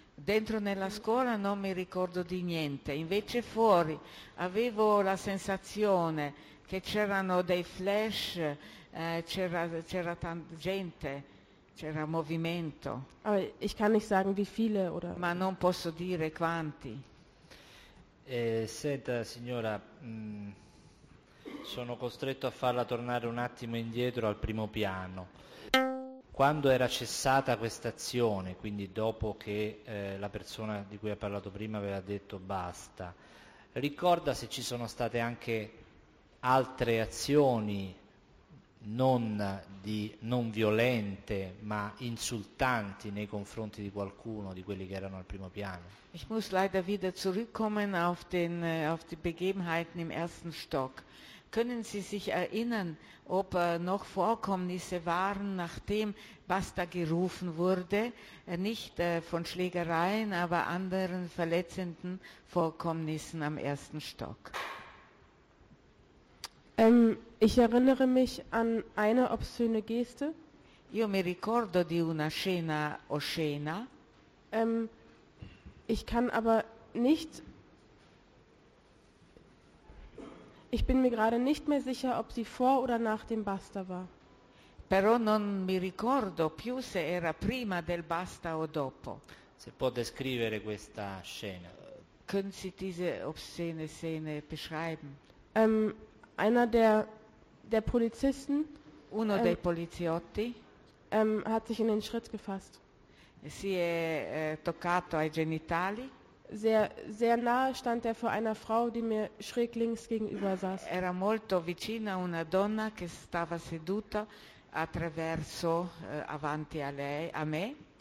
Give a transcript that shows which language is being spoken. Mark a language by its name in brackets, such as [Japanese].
[Italian] Dentro nella scuola non mi ricordo di niente, invece fuori avevo la sensazione che c'erano dei flash, c'era tanta gente, c'era movimento. [German] Aber ich kann nicht sagen, wie viele oder. [Italian] Ma non posso dire quanti. Senta, signora. Sono costretto a farla tornare un attimo indietro al primo piano. Quando era cessata questa azione, quindi dopo che la persona di cui ha parlato prima aveva detto basta, ricorda se ci sono state anche altre azioni non violente, ma insultanti nei confronti di qualcuno, di quelli che erano al primo piano? [German] Ich muss leider wieder zurückkommen auf die Begebenheiten im ersten Stock. Können Sie sich erinnern, ob noch Vorkommnisse waren, nachdem Basta gerufen wurde, nicht von Schlägereien, aber anderen verletzenden Vorkommnissen am ersten Stock? Ich erinnere mich an eine obszöne Geste. [Italian] Io mi ricordo di una scena oscena. [German] Ich kann aber nicht. Ich bin mir gerade nicht mehr sicher, ob sie vor oder nach dem Basta war. [Italian] Però non mi ricordo più se era prima del Basta o dopo. Se può descrivere questa scena. [German] Können Sie diese obszene Szene beschreiben? Einer der Polizisten. [Italian] Uno dei poliziotti. [German] Hat sich in den Schritt gefasst. [Italian] Si è toccato ai genitali. [German] Sehr, sehr nahe stand er vor einer Frau, die mir schräg links gegenüber saß. [Italian] Era molto vicina una donna che stava seduta attraverso avanti a lei, a me.